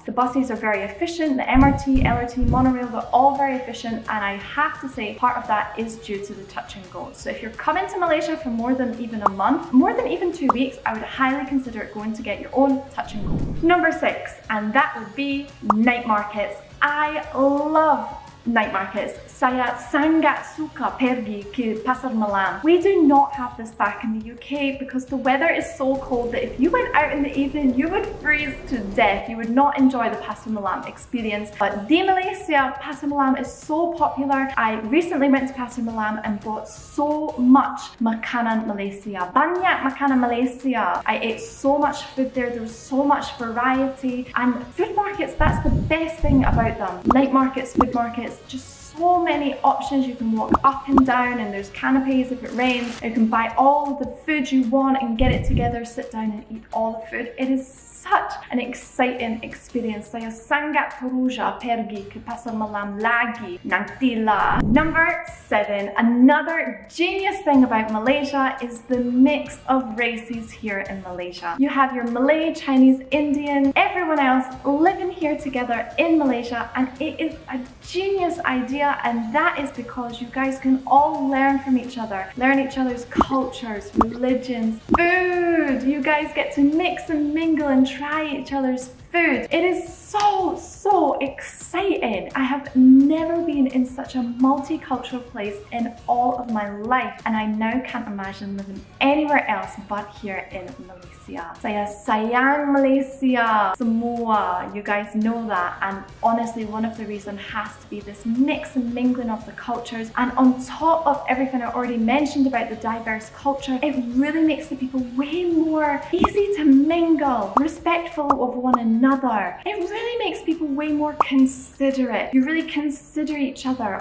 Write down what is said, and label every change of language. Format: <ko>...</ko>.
<en>The buses are very efficient. The MRT, LRT, monorail, they're all very efficient. And I have to say part of that is due to the touch and go. So if you're coming to Malaysia for more than even a month, more than even 2 weeks, I would highly consider going to get your own touch and go. Number 6, and that would be night markets. I love night markets.</en> <ms>Saya sangat suka pergi ke Pasar Malam.</ms> <en>We do not have this back in the UK because the weather is so cold that if you went out in the evening, you would freeze to death. You would not enjoy the Pasar Malam experience. But</en> <ms>di</ms> <en>Malaysia, Pasar Malam is so popular. I recently went to Pasar Malam and bought so much</en> <ms>makanan Malaysia. Banyak makanan Malaysia.</ms> <en>I ate so much food there. There was so much variety. And food markets, that's the best thing about them. Night markets, food markets, just so many options. You can walk up and down and there's canapes if it rains. You can buy all the food you want and get it together, sit down and eat all the food. It is such an exciting experience.</en> <ms>Saya sangat teruja pergi ke Pasar Malam lagi nantilah.</ms> <en>Number 7, another genius thing about Malaysia is the mix of races here in Malaysia. You have your Malay, Chinese, Indian, everyone else living here together in Malaysia, and it is a genius idea, and that is because you guys can all learn from each other. Learn each other's cultures, religions, food. You guys get to mix and mingle and try each other's food. It is so, so exciting. I have never been in such a multicultural place in all of my life, and I now can't imagine living anywhere else but here in Malaysia.</en> <ms>Saya sayang Malaysia semua.</ms> <en>You guys know that. And honestly, one of the reasons has to be this mix and mingling of the cultures. And on top of everything I already mentioned about the diverse culture, it really makes the people way more easy to mingle, respectful of one another. It really makes people way more considerate. You really consider each other.</en>